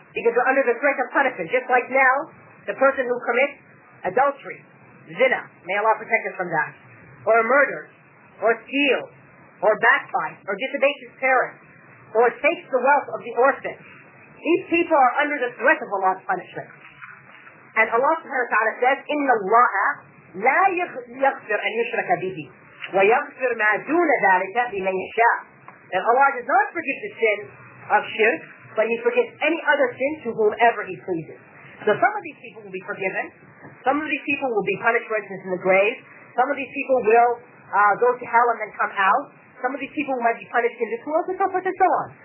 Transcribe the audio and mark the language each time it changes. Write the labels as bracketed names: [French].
[English] Because they're under the threat of punishment. Just like now, the person who commits adultery, zina, may Allah protect us from that, or murder, or steal, or backbite, or disobeys his parents, or takes the wealth of the orphan. These people are under the threat of Allah's punishment. And Allah subhanahu wa ta'ala says, [Arabic] إِنَّ اللَّهَ لَا يَغْفِرْ أَنْ يُشْرَكَ بِهِ وَيَغْفِرْ مَا دُونَ ذَلِكَ لِمَنْ يَشَاءُ. [English] And Allah does not forgive the sin of shirk, but He forgives any other sin to whomever He pleases. So some of these people will be forgiven. Some of these people will be punished, for instance, in the grave. Some of these people will go to hell and then come out. Some of these people might be punished in this world, and so forth and so on.